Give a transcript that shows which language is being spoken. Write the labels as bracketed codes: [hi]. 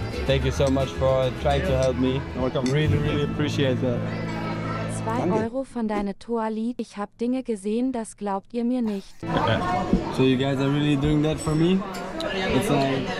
[en] Thank you so much for trying to help me. You're welcome. Really, really appreciate that. [de] 2 Euro von deine Toilette. Ich habe Dinge gesehen, das glaubt ihr mir nicht. [en] So you guys are really doing that for me? It's like...